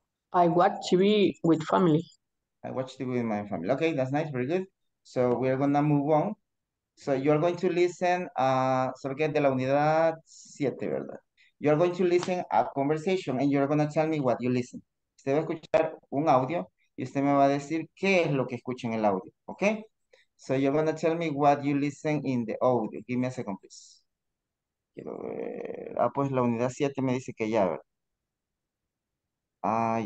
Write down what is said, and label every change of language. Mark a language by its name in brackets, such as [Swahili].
[English] I watch TV with family. I watch TV with my family. Okay, that's nice. Very good. So we are going to move on. So you are going to listen, [Spanish] de la unidad 7, ¿verdad? [English] You are going to listen a conversation and you are going to tell me what you listen. [Spanish] Usted va a escuchar un audio y usted me va a decir qué es lo que escucha en el audio, okay? [English] So you're going to tell me what you listen in the audio. Give me a second, please. [Spanish] Quiero ver. Ah, pues la unidad 7 me dice que ya, ¿verdad?